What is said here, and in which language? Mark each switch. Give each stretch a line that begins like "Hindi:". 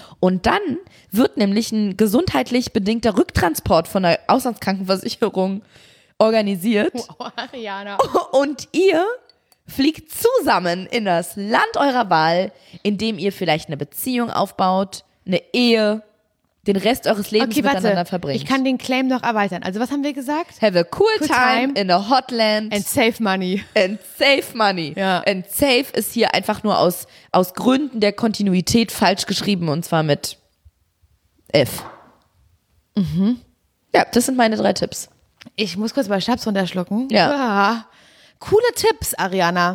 German: Und dann wird nämlich ein gesundheitlich bedingter Rücktransport von der Auslandskrankenversicherung organisiert. Wow, Ariana. Und ihr fliegt zusammen in das Land eurer Wahl, in dem ihr vielleicht eine Beziehung aufbaut, eine Ehe, den Rest eures Lebens okay, miteinander warte, verbringt. Ich kann den Claim noch erweitern. Also was haben wir gesagt?
English: Have a cool, cool time in a hot land. And save money. And save money.
German: Ja. And save ist hier einfach nur aus Gründen der Kontinuität falsch geschrieben und zwar mit F. Mhm. Ja, das sind meine drei Tipps. Ich muss kurz mal Schnaps runterschlucken. Ja. Ah. Coole Tipps, Ariana.